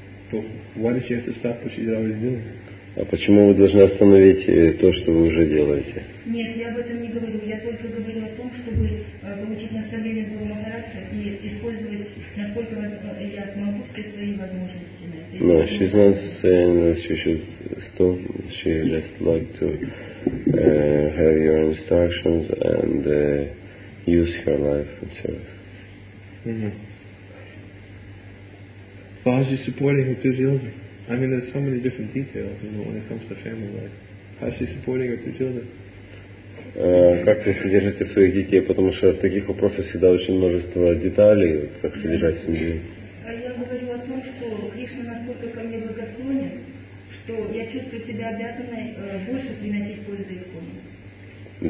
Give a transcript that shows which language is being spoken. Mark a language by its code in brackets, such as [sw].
[en] But why does she have to stop what she's already doing? [ru] А почему вы должны остановить то, что вы уже делаете? Нет, я об этом не говорю. Я только говорю о том, чтобы получить наставление Гуру Махараджа и использовать, насколько я смогу, все свои возможности. [en] Если no, she's not saying that she should stop. She just like to have your instructions and use her life and service. Mm-hmm. Why is she supporting her two children? I mean, there's so many different details, you know, when it comes to family life. How is she supporting her two children? [ru] Как вы содержите своих детей? Потому что в таких вопросах всегда очень множество деталей, как содержать семью. Я говорю о том, что Кришна настолько ко мне благосклонен, что я чувствую себя обязанной больше приносить пользу ИСКОНу.